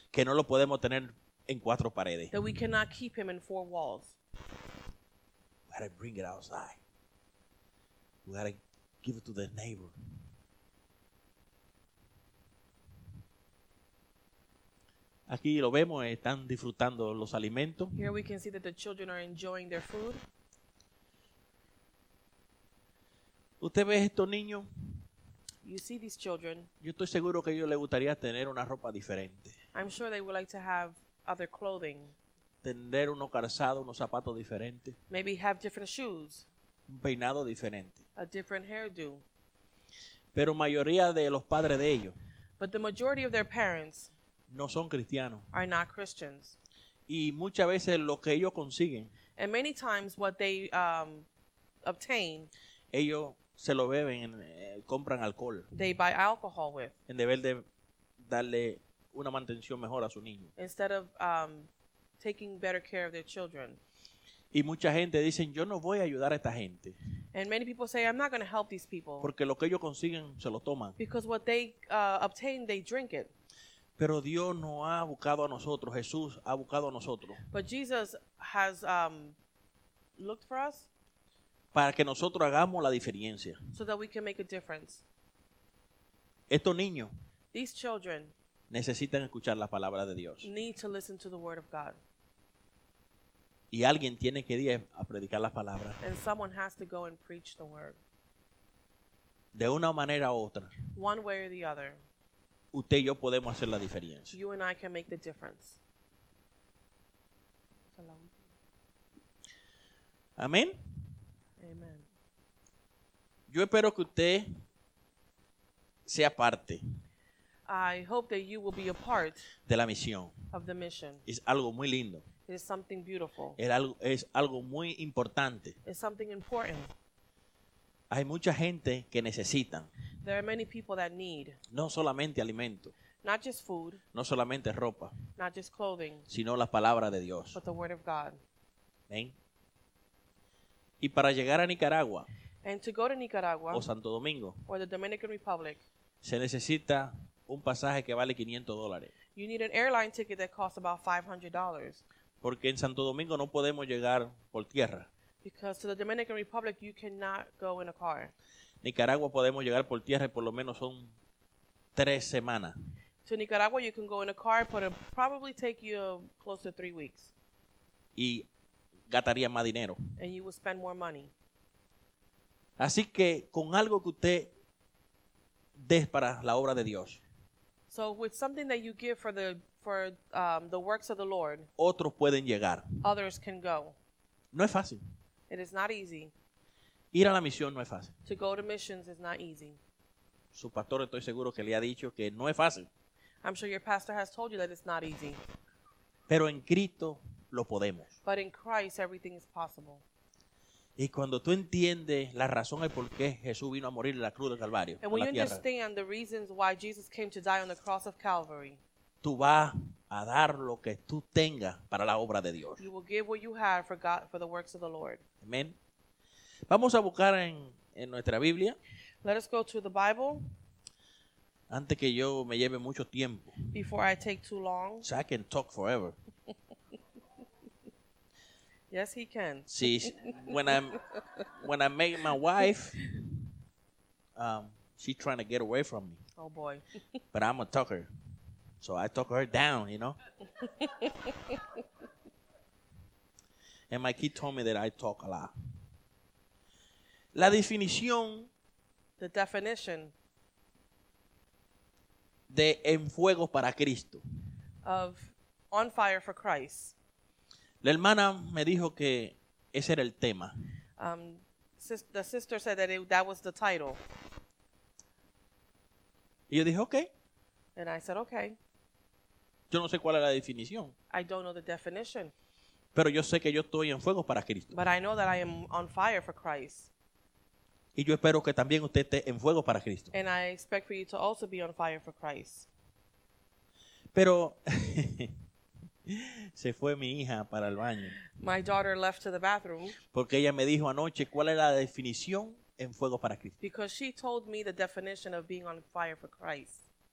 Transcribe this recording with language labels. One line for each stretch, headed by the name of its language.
Spanish: Que no lo podemos tener en cuatro paredes.
English: That we cannot keep him in four walls. We gotta bring it outside. We gotta give it to the neighbor.
Spanish: Aquí lo vemos, están disfrutando los alimentos.
English: Here we can see that the children are enjoying their food.
Spanish: ¿Usted ve estos niños?
English: You see these children.
Spanish: Yo estoy seguro que a ellos les gustaría tener una ropa diferente.
English: I'm sure they would like to have other clothing.
Spanish: Tener unos calzados, unos zapatos diferentes.
English: Maybe have different shoes.
Spanish: Un peinado diferente.
English: A different hairdo.
Spanish: Pero mayoría de los padres de ellos.
English: But the majority of their parents.
Spanish: No son cristianos.
English: Are not Christians.
Spanish: Y muchas veces lo que ellos consiguen.
English: And many times what they obtain.
Spanish: Ellos se lo beben, compran alcohol.
English: They buy alcohol with.
Spanish: En deber de darle una mantención mejor a su niño.
English: Instead of taking better care of their children.
Spanish: Y mucha gente dicen, yo no voy a ayudar a esta gente.
English: And many people say, I'm not going to help these people.
Spanish: Porque lo que ellos consiguen se lo toman.
English: Because what they obtain, they drink it.
Spanish: Pero Dios no ha buscado a nosotros. Jesús ha buscado a nosotros.
English: But Jesus has looked for us.
Spanish: Para que nosotros hagamos la diferencia.
English: So that we can make a difference.
Spanish: Estos niños.
English: These children.
Spanish: Necesitan escuchar la palabra de Dios.
English: Need to listen to the word of God.
Spanish: Y alguien tiene que ir a predicar la palabra.
English: And someone has to go and preach the word.
Spanish: De una manera u otra.
English: One way or the other.
Spanish: Usted y yo podemos hacer la diferencia.
English: You and I can make the difference.
Spanish: Amén.
English: Amen.
Spanish: Yo espero que usted sea parte.
English: I hope that you will be a part
Spanish: de la misión.
English: Of the mission.
Spanish: Es algo muy lindo.
English: It is something beautiful.
Spanish: Es algo muy importante.
English: It's something important.
Spanish: Hay mucha gente que necesitan.
English: There are many people that need.
Spanish: No solamente alimento.
English: Not just food.
Spanish: No solamente ropa.
English: Not just clothing.
Spanish: Sino la palabra de Dios.
English: But the word of God.
Spanish: Amen. Y para llegar a Nicaragua.
English: And to go to Nicaragua.
Spanish: O Santo Domingo.
English: Or the Dominican Republic.
Spanish: Se necesita un pasaje que vale $500.
English: You need an airline ticket that costs about $500.
Spanish: Porque en Santo Domingo no podemos llegar por tierra.
English: Because to the Dominican Republic, you cannot go in a car.
Spanish: Nicaragua podemos llegar por tierra y por lo menos son 3 semanas.
English: To Nicaragua, you can go in a car, but it'll probably take you close to 3 weeks.
Spanish: Y gastaría más dinero.
English: And you will spend more money.
Spanish: Así que con algo que usted dé para la obra de Dios.
English: So with something that you give for the the works of the Lord.
Spanish: Otros pueden llegar.
English: Others can go.
Spanish: No es fácil.
English: It is not easy.
Spanish: Ir a la misión no es fácil.
English: To go to missions is not easy.
Spanish: Su pastor, estoy seguro que le ha dicho que no es fácil.
English: I'm sure your pastor has told you that it's not easy.
Spanish: Pero en Cristo lo podemos.
English: But in Christ everything is possible.
Spanish: Y cuando tú entiendes la razón de por qué Jesús vino a morir en la cruz del Calvario,
English: and when you understand the reasons why Jesus came to die on the cross of Calvary,
Spanish: tú vas a dar lo que tú tengas para la obra de Dios.
English: You will give what you have for God, for the works of the Lord.
Spanish: Amén. Vamos a buscar en nuestra Biblia.
English: Let us go to the Bible.
Spanish: Antes que yo me lleve mucho tiempo.
English: Before I take too long. So I can talk forever. Yes, he can. See, when I make my wife, she's trying to get away from me. Oh, boy. But I'm a talker. So I talk her down, you know? And my kid told me that I talk a lot.
Spanish: La definición.
English: The definition.
Spanish: De en fuego para Cristo.
English: Of on fire for Christ.
Spanish: La hermana me dijo que ese era el tema.
English: The sister said that that was the title.
Spanish: Y yo dije, okay.
English: And I said, okay.
Spanish: Yo no sé cuál es la definición.
English: I don't know the definition.
Spanish: Pero yo sé que yo estoy en fuego para Cristo.
English: But I know that I am on fire for Christ.
Spanish: Y yo espero que también usted esté en fuego para Cristo.
English: And I expect for you to also be on fire for Christ.
Spanish: Pero... Se fue mi hija para el baño.
English: My daughter left to the bathroom.
Spanish: Porque ella me dijo anoche cuál es la definición en fuego para Cristo.
English: Because she told me the definition of being on fire for Christ.